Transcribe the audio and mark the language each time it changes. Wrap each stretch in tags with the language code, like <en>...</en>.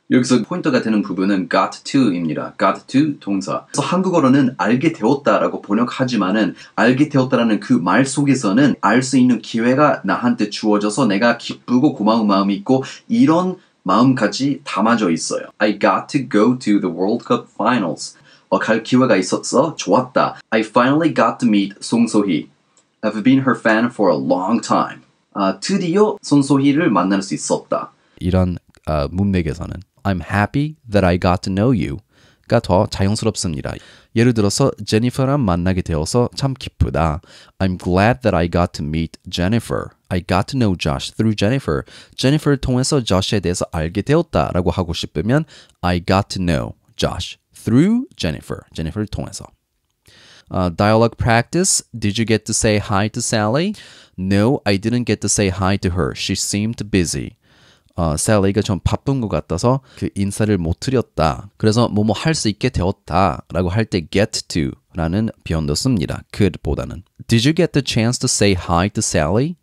<ko>여기서 포인트가 되는 부분은 got to입니다. got to 동사. 그래서 한국어로는 알게 되었다라고 번역하지만은 알게 되었다라는 그 말 속에서는 알 수 있는 기회가 나한테 주어져서 내가 기쁘고 고마운 마음이 있고 이런 마음까지 담아져 있어요.</ko> <en>I got to go to the World Cup finals.</en> <ko>갈 기회가 있었어? 좋았다.</ko> <en>I finally got to meet 송소희. I've been her fan for a long time.</en> <ko>드디어 손소희를 만날 수 있었다. 이런 문맥에서는</ko> <en>I'm happy that I got to know you</en> <ko>가 더 자연스럽습니다. 예를 들어서 제니퍼랑 만나게 되어서 참 기쁘다.</ko> <en>I'm glad that I got to meet Jennifer. I got to know Josh through Jennifer.</en> <ko>Jennifer 통해서 Josh에 대해서 알게 되었다 라고 하고 싶으면</ko> <en>I got to know Josh through Jennifer. Jennifer 통해서. Dialogue practice. Did you get to say hi to Sally? No, I didn't get to say hi to her. She seemed busy.</en> <ko>Sally가 좀 바쁜 것 같아서 그 인사를 못 드렸다. 그래서 뭐뭐 할 수 있게 되었다 라고 할 때 get to 라는 표현도 씁니다. could 보다는.</ko> <en>Did you get the chance to say hi to Sally?</en>